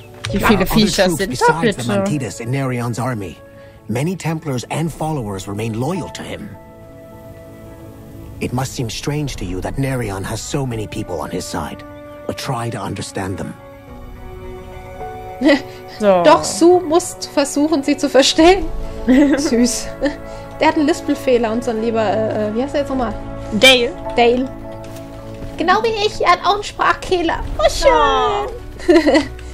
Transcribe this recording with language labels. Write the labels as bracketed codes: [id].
[de] Wie viele Viecher sind da bitte? [en] Narion's army. Many Templars and followers remain loyal to him. It must seem strange to you that Narion has so many people on his side, but try to understand them. [de] So. Doch, Sue muss versuchen, sie zu verstehen. Süß. Der hat einen Lispelfehler, unseren lieber, wie heißt er jetzt nochmal? Dale. Dale. Genau wie ich, er hat auch einen Sprachfehler. Oh, schön.